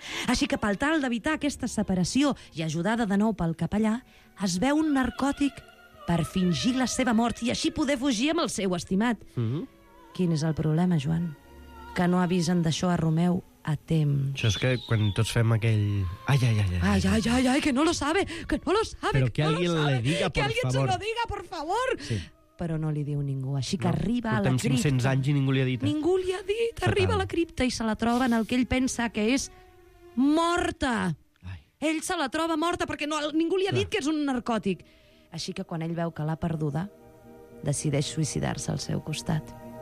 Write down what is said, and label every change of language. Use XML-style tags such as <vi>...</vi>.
<ca>Així que, pel tal d'evitar aquesta separació i ajudada de nou pel capellà, es veu un narcòtic per fingir la seva mort i així poder fugir amb el seu estimat. Quin és el problema, Joan? Que no avisen d'això a Romeu a temps. Això és que quan tots fem aquell... Ai, ai, ai, ai,</ca> <es>ai, ai, ai, ai, que no lo sabe, que no lo sabe.</es> <ca>Però que no</ca> <es>alguien le diga, por favor. Que alguien se lo diga, por favor. Sí.</es> <ca>Però no li diu ningú, així que no, arriba a la cripta. Portem 500 anys i ningú li ha dit. Ningú li ha dit. Arriba a la cripta i se la troba en el que ell pensa que és morta. Ai. Ell se la troba morta perquè no, ningú li ha dit que és un narcòtic. Així que quan ell veu que l'ha perduda, decideix suïcidar-se al seu costat.</ca>